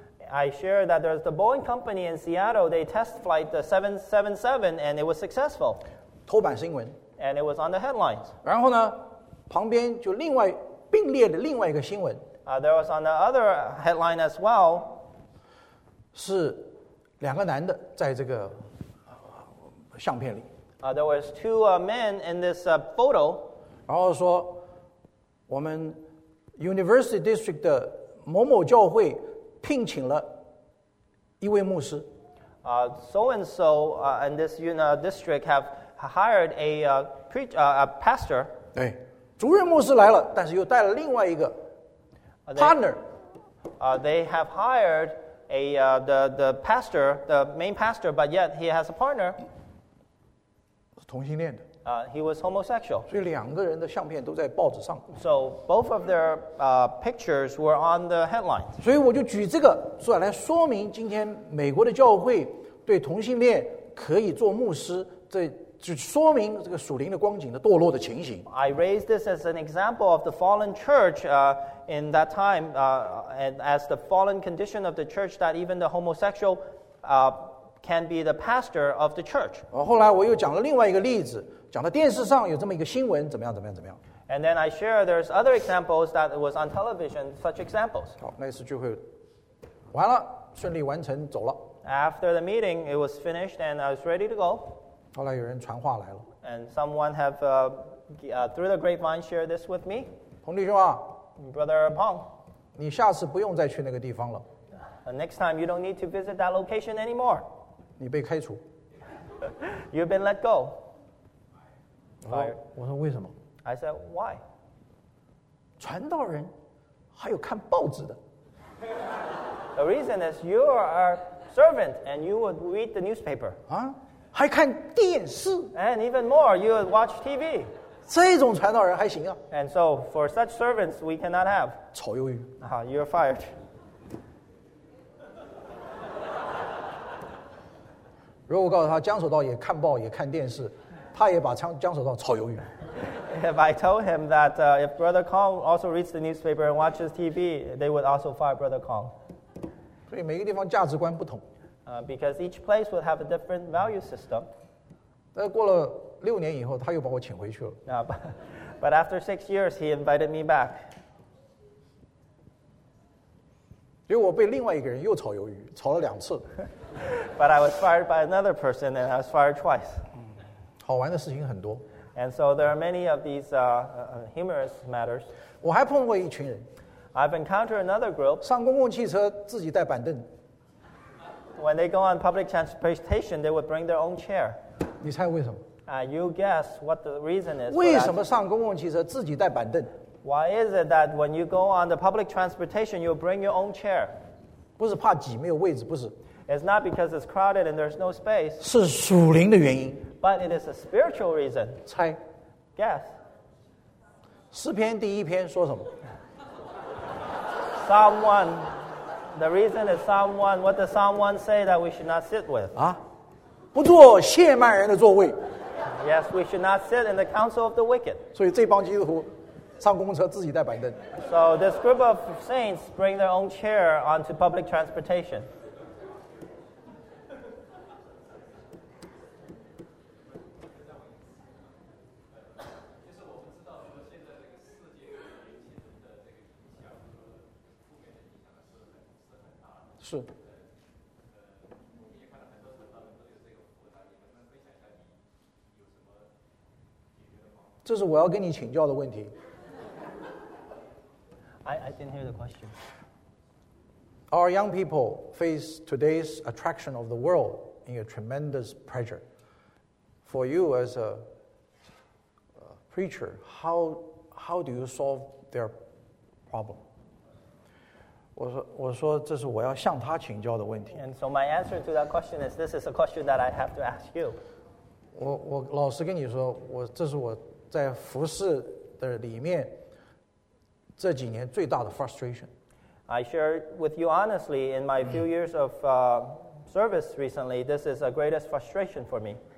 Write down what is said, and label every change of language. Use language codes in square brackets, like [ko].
[en] I share that there's the Boeing company in Seattle. They test flight the 777, and it was successful. [zh] 头版新闻。 [en] And it was on the headlines. [zh] 然后呢，旁边就另外并列的另外一个新闻。 [en] There was on the other headline as well. [zh] 是两个男的在这个相片里。 [en] There was two men in this photo. [zh] 然后说，我们 University District 的某某教会聘请了一位牧师。 [en] So-and-so in this district have hired a pastor. [zh] 对，主任牧师来了，但是又带了另外一个partner. [en] They have hired the pastor, the main pastor, but yet he has a partner. [zh] 同性恋的。 [en] He was homosexual. [zh] 所以两个人的相片都在报纸上。 [en] So both of their pictures were on the headlines. [zh] 所以我就举这个出来说明今天美国的教会对同性恋可以做牧师，这就说明这个属灵的光景的堕落的情形。 [en] I raised this as an example of the fallen church in that time, and as the fallen condition of the church that even the homosexual can be the pastor of the church. [zh] 后来我又讲了另外一个例子，讲到电视上有这么一个新闻，怎么样怎么样怎么样。 [en] And then I share there's other examples that was on television, such examples. [zh] 好，那次聚会完了，顺利完成，走了。 [en] After the meeting, it was finished and I was ready to go. [zh] 后来有人传话来了。 [en] And someone have through the grapevine shared this with me. [zh] 彭弟兄啊。 [en] Brother Pong. [zh] 你下次不用再去那个地方了。 [en] Next time, you don't need to visit that location anymore. [zh] 你被开除。 [en] You've been let go. [zh] 我说为什么 [en] ？I said why？ [zh] 传道人还有看报纸的。 [en] The reason is you are a servant and you would read the newspaper。 [zh] 啊，还看电视。 [en] And even more, you would watch TV。 [zh] 这种传道人还行啊。 [en] And so for such servants, we cannot have。 [zh] 炒鱿鱼。 [en] You're fired。 [zh] 如果告诉他江守道也看报也看电视。他也把江守道炒鱿鱼。 [en] If I told him that if Brother Kong also reads the newspaper and watches TV, they would also fire Brother Kong. [zh] 所以每个地方价值观不同。 [en] Because each place would have a different value system. [zh] 但过了六年以后，他又把我请回去了。 [en] But after 6 years, he invited me back. [zh] 因为我被另外一个人又炒鱿鱼，炒了两次。 [en] But I was fired by another person, and I was fired twice. [zh] 好玩的事情很多。 [en] And so there are many of these humorous matters. [zh] 我还碰过一群人。 [en] I've encountered another group. [zh] 上公共汽车自己带板凳。 [en] When they go on public transportation, they would bring their own chair. [zh] 你猜为什么？ [en] You guess what the reason is. [zh] 为什么上公共汽车自己带板凳？ [en] Why is it that when you go on the public transportation, you bring your own chair? [zh] 不是怕挤没有位置，不是。 [en] It's not because it's crowded and there's no space. [zh] 是属灵的原因。 [en] But it is a spiritual reason. [zh] 猜 [en] Guess. [zh] 诗篇第一篇说什么 [en] Psalm 1. The reason is Psalm 1. What does Psalm 1 say that we should not sit with? [zh] 啊，不坐亵慢人的座位。 [en] Yes, we should not sit in the council of the wicked. [zh] 所以这帮基督徒上公车自己带板凳。 [en] So this group of saints bring their own chair onto public transportation. [zh] 是。这是我要跟你请教的问题。 [en] I didn't hear the question. Our young people face today's attraction of the world in a tremendous pressure. For you as a preacher, how do you solve their problem? [zh] 我说这是我要向他请教的问题。 [en] And so my answer to that question is, this is a question that I have to ask you. [zh] 我老实跟你说，我这是我在服侍的里面这几年最大的 frustration. [en] I share with you honestly, in my few years of service recently, this is the greatest frustration for me.